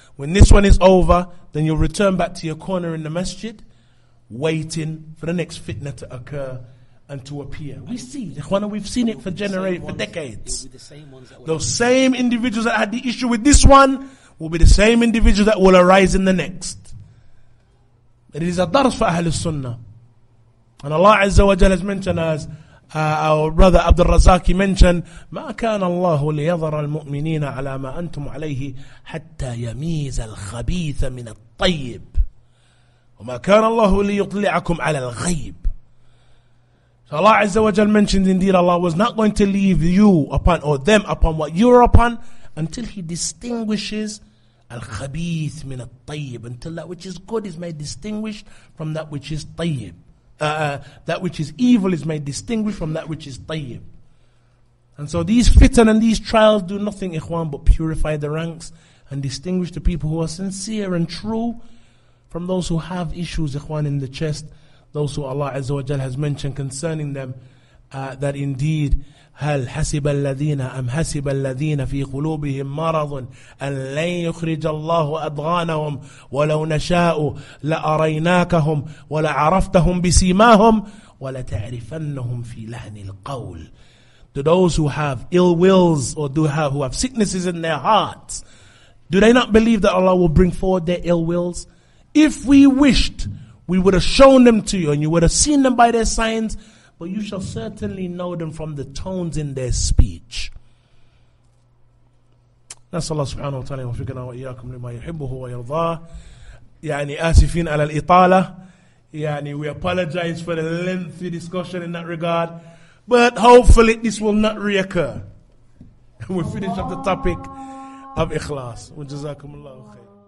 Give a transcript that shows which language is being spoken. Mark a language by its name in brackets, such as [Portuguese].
[English] When this one is over, then you'll return back to your corner in the masjid, waiting for the next fitna to occur and to appear. We see, Ikhwan, we've seen it for generations, for decades. Those same individuals that had the issue with this one will be the same individuals that will arise in the next. But it is a dars for Ahlul Sunnah. And Allah Azza wa Jalla has mentioned, as our brother Abdul Razaki mentioned, [Arabic] ما كان الله ليظهر المؤمنين على ما أنتم عليه حتى يميز الخبيث من الطيب وما كان الله ليطلعكم على الغيب. [English] So Allah Azza wa Jalla mentions, indeed Allah was not going to leave you upon, or them upon, what you're upon until He distinguishes [Arabic] الخبيث من الطيب, [English] until that which is good is made distinguished from that which is طيب. That which is evil is made distinguished from that which is tayyib. And so these fitan and these trials do nothing, Ikhwan, but purify the ranks and distinguish the people who are sincere and true from those who have issues, ikhwan, in the chest, those who Allah Azza wa Jal has mentioned concerning them, that indeed, [Arabic] هَلْ حَسِبَ الَّذِينَ أَمْ حَسِبَ الَّذِينَ فِي قُلُوبِهِمْ مَرَضٌ أَنْ لَنْ يُخْرِجَ اللَّهُ أَضْغَانَهُمْ وَلَوْ نَشَاءُ لَأَرَيْنَاكَهُمْ وَلَعَرَفْتَهُمْ بِسِيمَاهُمْ وَلَتَعْرِفَنَّهُمْ فِي لَهْنِ الْقَوْلِ. [English] To those who have ill wills or who have sicknesses in their hearts, do they not believe that Allah will bring forward their ill wills? If we wished, we would have shown them to you and you would have seen them by their signs, but you shall certainly know them from the tones in their speech. [Arabic] نسأل الله سبحانه وتعالى وفقنا وإياكم لما يحبه ويرضاه. يعني آسفين على الإطالة. [English] يعني we apologize for the lengthy discussion in that regard. But hopefully this will not reoccur. We finish up the topic of إخلاص. [Arabic] وجزاكم الله خير.